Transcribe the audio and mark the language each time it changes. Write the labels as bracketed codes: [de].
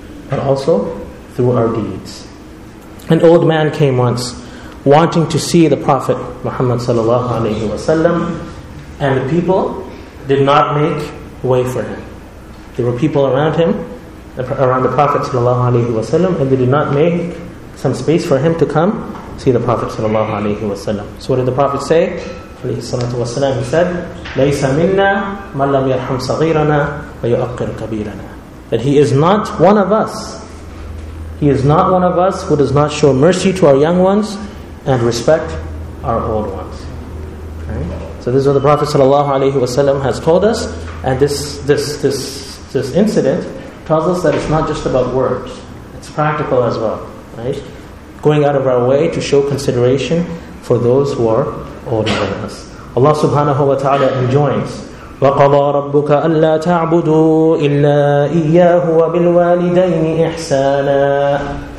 [en] But also through our deeds. An old man came once wanting to see the Prophet Muhammad sallallahu alayhi wa sallam, and the people did not make way for him. There were people around him, around the Prophet sallallahu alayhi wa sallam, and they did not make some space for him to come see the Prophet sallallahu alayhi wa sallam. So what did the Prophet say? [ar] Alayhi salatu wa sallam, [en] he said, [ar] لَيْسَ مِنَّا مَنْ لَمْ يَرْحَمْ صَغِيرَنَا وَيُؤَقِّرْ كَبِيرَنَا. [en] That he is not one of us. He is not one of us who does not show mercy to our young ones and respect our old ones. Right? So this is what the Prophet sallallahu alayhi wa sallam has told us. And this incident tells us that it's not just about words. It's practical as well. Right? Going out of our way to show consideration for those who are older than us. [ar] Allah subhanahu wa ta'ala [en] enjoins, [ar] وَقَضَى رَبُّكَ أَلَّا تَعْبُدُوا إِلَّا إِيَّاهُ وَبِالْوَالِدَيْنِ إِحْسَانًا.